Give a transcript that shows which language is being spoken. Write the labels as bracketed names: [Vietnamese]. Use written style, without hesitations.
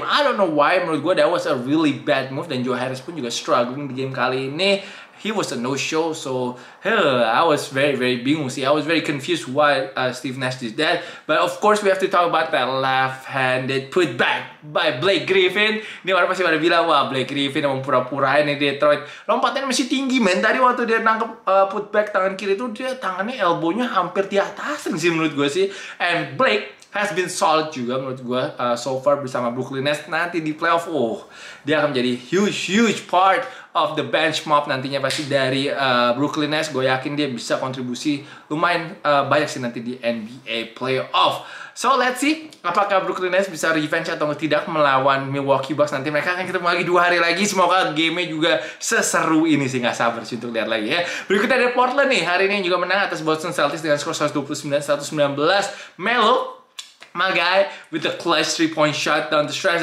[English] I don't know why, [Indonesian] menurut gue [English] that was a really bad move. [Indonesian] Dan Joe Harris pun juga struggling di game kali ini. [English] He was a no-show, so I was very, very [Indonesian] bingung sih. [English] I was very confused why Steve Nash did that. But of course, we have to talk about that left-handed putback by Blake Griffin. [Indonesian] Ini orang pasti pada bilang, wah, Blake Griffin emang pura-purain di Detroit. Lompatannya masih tinggi, men. Tadi waktu dia nangkep putback tangan kiri itu, dia tangannya, elbownya hampir di atas sih menurut gue sih. [English] And Blake has been solid [Indonesian] juga menurut gue [English] so far [Indonesian] bersama [English] Brooklyn Nets. [Indonesian] Nanti di playoff, dia akan menjadi [English] huge, huge part of the bench mob [Indonesian] nantinya pasti dari Brooklyn Nets. Gue yakin dia bisa kontribusi lumayan banyak sih nanti di NBA playoff. [English] So let's see [Indonesian] apakah Brooklyn Nets bisa revenge atau tidak melawan Milwaukee Bucks nanti. Mereka akan ketemu lagi 2 hari lagi. Semoga game-nya juga seseru ini sih. Gak sabar sih untuk lihat lagi ya. Berikutnya ada Portland nih. Hari ini juga menang atas Boston Celtics dengan skor 129-119. [English] Melo, my guy, with a clutch 3-point shot down the stretch.